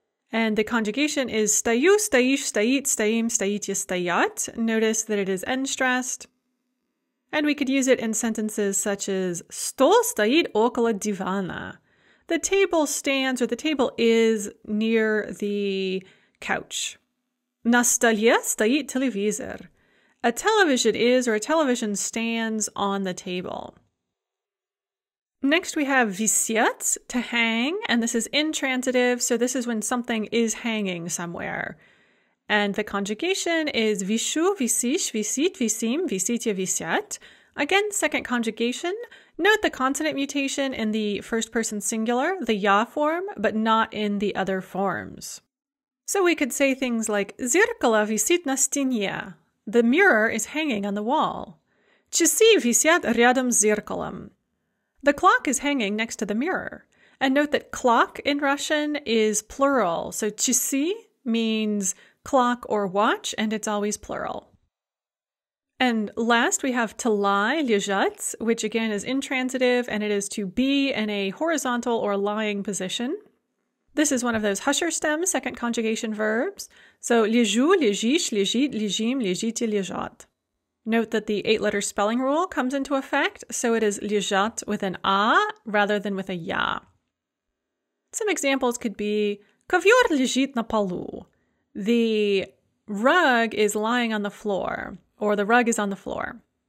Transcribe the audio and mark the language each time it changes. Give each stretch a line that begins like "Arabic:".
English: And the conjugation is
Russian: стою, стоишь, стоит, стоим, стоите, стоят.
English: Notice that it is N-stressed. And we could use it in sentences such as
Russian: стол стоит около дивана.
English: The table stands, or the table is, near the couch.
Russian: На столе стоит телевизор.
English: A television is, or a television stands, on the table. Next we have висеть, to hang, and this is intransitive, so this is when something is hanging somewhere. And the conjugation is
Russian: вишу, висишь, висит, висим, висите, висеть.
English: Again, second conjugation. Note the consonant mutation in the first person singular, the я form, but not in the other forms. So we could say things like
Russian: зеркало висит на стене.
English: The mirror is hanging on the wall.
Russian: Часы висят рядом с зеркалом.
English: The clock is hanging next to the mirror. And note that clock in Russian is plural. So часы means clock or watch, and it's always plural. And last we have to lie, лежать, which again is intransitive, and it is to be in a horizontal or lying position. This is one of those husher stem second conjugation verbs.
Russian: So лежу, лежишь, лежит, лежим, лежите, лежат.
English: Note that the eight-letter spelling rule comes into effect, so it is лежать with an а rather than with a я. Some examples could be
Russian: ковёр лежит на полу.
English: The rug is lying on the floor, or the rug is on the floor.